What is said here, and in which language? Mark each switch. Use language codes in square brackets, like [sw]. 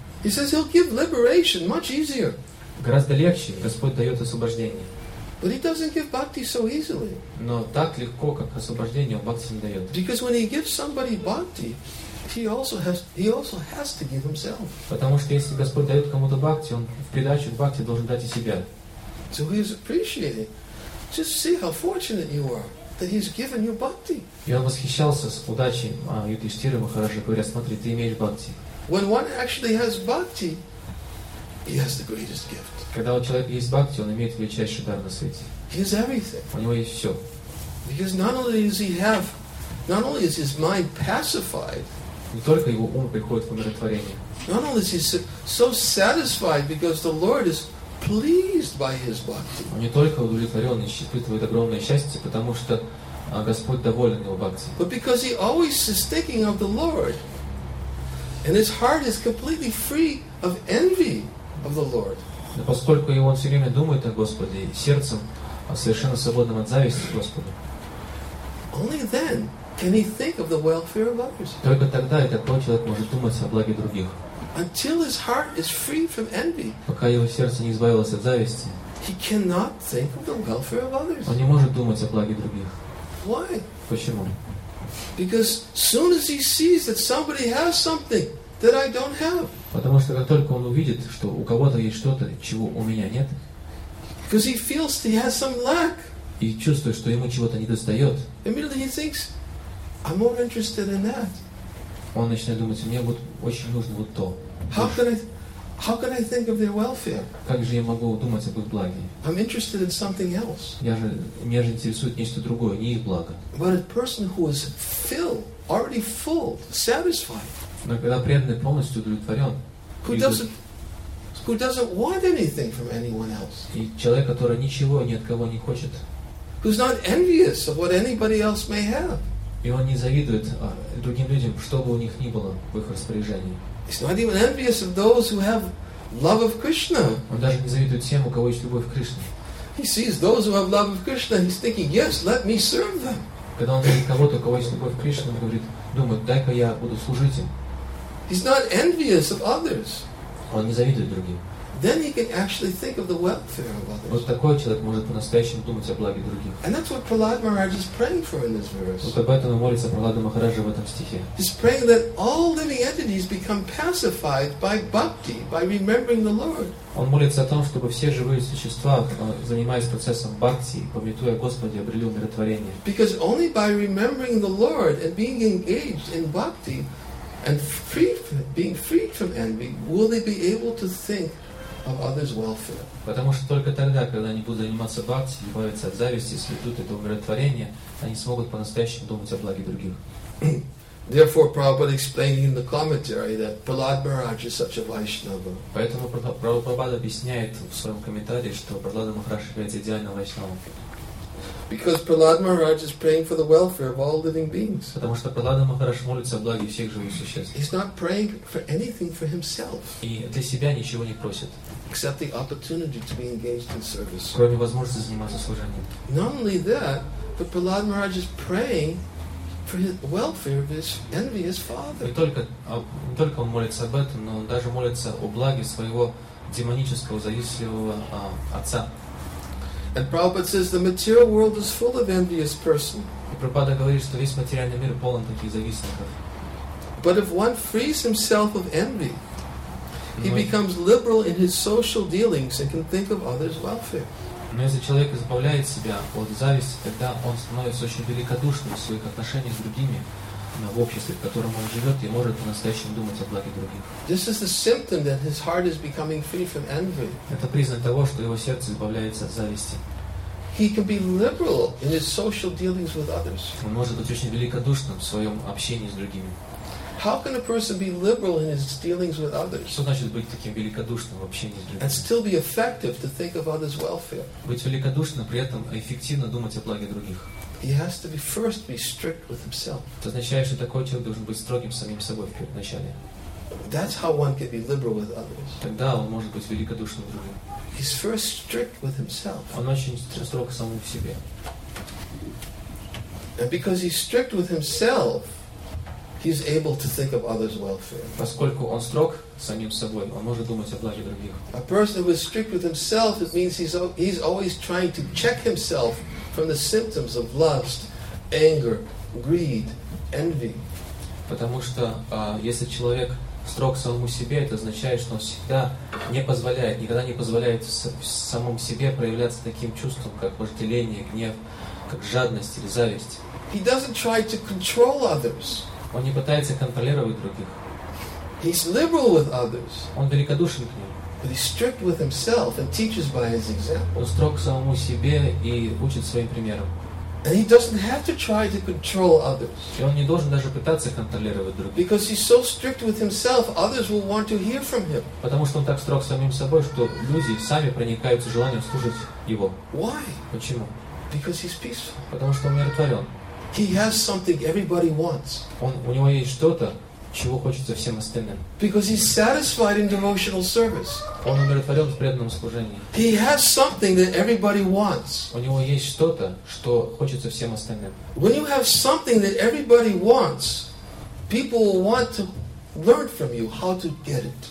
[en] He says he'll give liberation much easier. [ru] Гораздо легче Господь дает освобождение. [en] But he doesn't give bhakti so easily. [ru] Но так легко, как освобождение, он бхакти не дает. [en] Because when he gives somebody bhakti, he also has to give himself. [ru] Потому что если Господь дает кому-то бхакти, он в придачу бхакти должен дать и себя. [en] So he is appreciating. Just see how fortunate you are that he's given you bhakti. [ru] И он восхищался с удачей Юдхиштхиры Махараджа, говоря, смотри, ты имеешь бхакти. [en] When one actually has bhakti, he has the greatest gift. [ru] Когда у человека есть бхакти, он имеет величайший дар на свете. [en] He has everything. [ru] У него есть все. [en] Because not only is his mind pacified. [ru] Не только его ум приходит в умиротворение. [en] Not only is he so satisfied because the Lord is pleased by his bhakti. [ru] Он не только удовлетворен, испытывает огромное счастье, потому что Господь доволен его бхакти. [en] But because he always is thinking of the Lord, and his heart is completely free of envy of the Lord. [ru] Но поскольку он все время думает о Господе и сердцем совершенно свободным от зависти к Господу. [en] Only then can he think of the welfare of others. [ru] Только тогда этот человек может думать о благе других. [en] Until his heart is free from envy. [ru] Пока его сердце не избавилось от зависти. [en] He cannot think of the welfare of others. [ru] Он не может думать о благе других. [en] Why? [ru] Почему? [en] Because soon as he sees that somebody has something that I don't have. [ru] Потому что как только он увидит, что у кого-то есть что-то, чего у меня нет. [en] Because he feels he has some lack. [ru] И чувствует, что ему чего-то недостает. [en] Immediately he thinks, I'm more interested in that. [ru] Он начинает думать, мне вот очень нужно вот то. [en] How can I think of their welfare? [ru] Как же я могу думать об их благе? [en] I'm interested in something else. [ru] Меня же интересует нечто другое, не их благо. [en] But a person who is filled, already full, satisfied. [ru] Но когда преданный полностью удовлетворен, [en] who doesn't want anything from anyone else? [ru] И человек, который ничего ни от кого не хочет, [en] who's not envious of what anybody else may have? [ru] И он не завидует другим людям, что бы у них ни было в их распоряжении. [en] He's not even envious of those who have love of Krishna. [ru] Он даже не завидует тем, у кого есть любовь к Кришне. [en] He sees those who have love of Krishna. He's thinking, yes, let me serve them. [ru] Когда он видит кого-то, у кого есть любовь к Кришне, он говорит, думает, дай-ка я буду служить им. [en] He's not envious of others. [ru] Он не завидует другим. [en] Then he can actually think of the welfare of others. [ru] Вот такой человек может по-настоящему думать о благе других. [en] And that's what Prahlad Maharaj is praying for in this verse. [ru] Вот об этом молится Прахлада Махараджа в этом стихе. [en] He's praying that all living entities become pacified by bhakti, by remembering the Lord. [ru] Он молится о том, чтобы все живые существа, занимаясь процессом бхакти, помятуя Господи, обрели умиротворение. [en] Because only by remembering the Lord and being engaged in bhakti and being freed from envy, will they be able to think of others' welfare. [ru] Потому что только тогда, когда они будут заниматься бхакти, избавиться от зависти, сведут это умиротворение, они смогут по-настоящему думать о благе других. [en] Therefore, Prabhupada explained in the commentary that Prahlad Maharaj is such a Vaishnava. [ru] Поэтому Прабхупада объясняет в своем комментарии, что Прахлад Махарадж является идеальным Вайшнавом. [en] Because Prahlad Maharaj is praying for the welfare of all living beings. [ru] Потому что Прахлад Махарадж молится о благе всех живых существ. [en] He's not praying for anything for himself. [ru] И для себя ничего не просит. [en] except the opportunity to be engaged in service. [ru] Кроме возможности заниматься служением. [en] Not only that, but Prahlad Maharaj is praying for his welfare of his envious father. [ru] Не только он молится об этом, но он даже молится о благе своего демонического завистливого отца. [en] And Prabhupada says the material world is full of envious persons. [ru] И Прабхупада говорит, что весь материальный мир полон таких завистников. [en] But if one frees himself of envy, he becomes liberal in his social dealings and can think of others' welfare. [ru] Но если человек избавляет себя от зависти, тогда он становится очень великодушным в своих отношениях с другими, в обществе, в котором он живет, и может по-настоящему думать о благе других. [en] This is the symptom that his heart is becoming free from envy. [ru] Это признак того, что его сердце избавляется от зависти. [en] He can be liberal in his social dealings with others. [ru] Он может быть очень великодушным в своем общении с другими. [en] How can a person be liberal in his dealings with others? [ru] Что значит быть таким великодушным в общении с другими? [en] And still be effective to think of others' welfare. [ru] Быть великодушным, при этом эффективно думать о благе других. [en] He has to first be strict with himself. [ru] Это означает, что такой человек должен быть строгим самим собой в первоначале. [en] That's how one can be liberal with others. [ru] Тогда он может быть великодушным с другими. [en] He's first strict with himself. [ru] Он очень строг к самому себе. [en] And because he's strict with himself, he's able to think of others' welfare. [ru] Поскольку он строг самим собой, он может думать о благе других. [en] A person who is strict with himself, it means he's always trying to check himself from the symptoms of lust, anger, greed, envy. [ru] Потому что если человек строг самому себе, это означает, что он всегда не позволяет, никогда не позволяет самому себе проявляться таким чувством, как вожделение, гнев, как жадность или зависть. [en] He doesn't try to control others. [ru] Он не пытается контролировать других. [en] He's liberal with others. [ru] Он великодушен к ним. [en] But he's strict with himself and teaches by his example. [ru] Он строг к самому себе и учит своим примером. [en] And he doesn't have to try to control others. [ru] И он не должен даже пытаться контролировать других. [en] Because he's so strict with himself, others will want to hear from him. [ru] Потому что он так строг самим собой, что люди сами проникаются желанием служить его. [en] Why? [ru] Почему? [en] Because he's peaceful. [ru] Потому что он умиротворен. [en] He has something everybody wants. [ru] У него есть что-то, чего хочется всем остальным. [en] Because he's satisfied in devotional service. [ru] Он умиротворен в преданном служении. [en] He has something that everybody wants. [ru] У него есть что-то, что хочется всем остальным. [en] When you have something that everybody wants, people will want to learn from you how to get it.